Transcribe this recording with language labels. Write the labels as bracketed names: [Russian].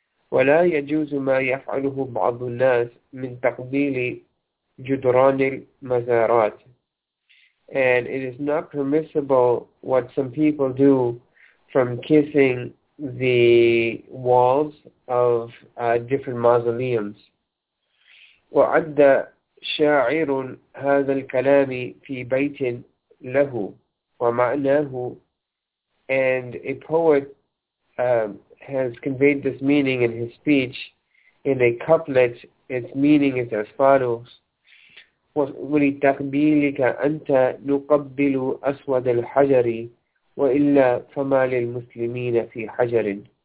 [Arabic] وَلَا يَجُوزُ مَا يَفْعَلُهُ بَعْضُ النَّاسِ مِنْ تَقْبِيلِ جدران المزارات. [English] And it is not permissible what some people do from kissing the walls of different mausoleums. [Arabic] وعد شاعر هذا الكلام في بيت له ومعناه. [English] And a poet has conveyed this meaning in his speech in a couplet. Its meaning is as follows. [Arabic] ولتقبيلك أنت نقبل أسود الحجر وإلا فما للمسلمين في حجر.